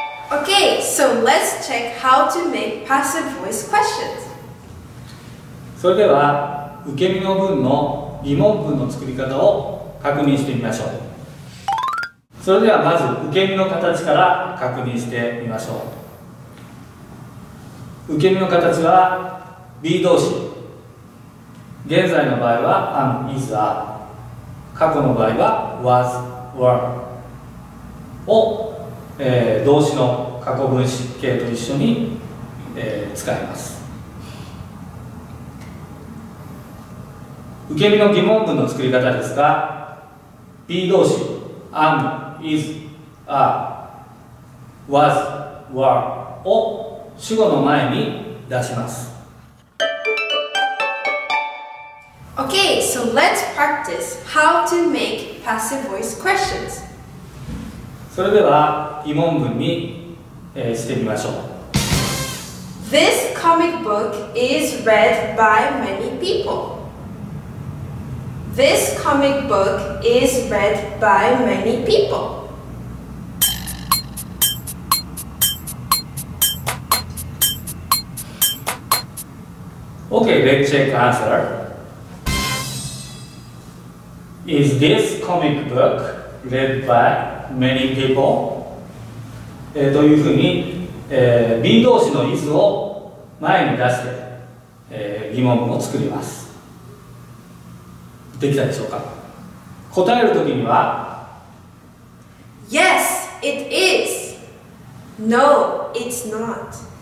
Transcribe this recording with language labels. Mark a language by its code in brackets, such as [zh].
[en] Okay, so let's check how to make passive voice questions. [ja] それでは、受け身の文の疑問文の作り方を確認してみましょう。それではまず受け身の形から確認してみましょう。受け身の形は B 動詞、現在の場合は am, is, are、 過去の場合は was, were を、動詞の過去分詞形と一緒に、使います。受け身の疑問文の作り方ですが、 B 動詞 am, is, are, was, were を主語の前に出します。 [en] Okay, so let's practice how to make passive voice questions. [ja] それでは疑問文に、してみましょう。 [en] This comic book is read by many peopleThis comic book is read by many people. Okay, let's check answer. Is this comic book read by many people? [ja] というふうに、B 動詞の is を前に出して、疑問文を作ります。できたでしょうか？答えるときには [en] Yes, it is. No, it's not.